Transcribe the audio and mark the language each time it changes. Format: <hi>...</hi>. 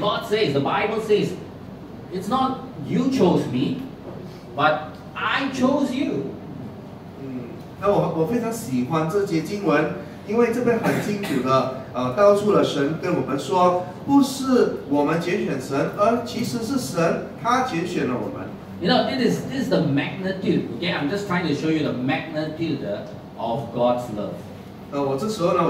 <en>God says, the Bible says, it's not you chose me, but I chose you.</en> <zh>那我非常喜欢这节经文。因为这边很清楚的，告诉了神跟我们说，不是我们拣选神，而其实是神他拣选了我们。You</zh> <en>know, this is the magnitude. Okay, I'm just trying to show you the magnitude of God's love.</en>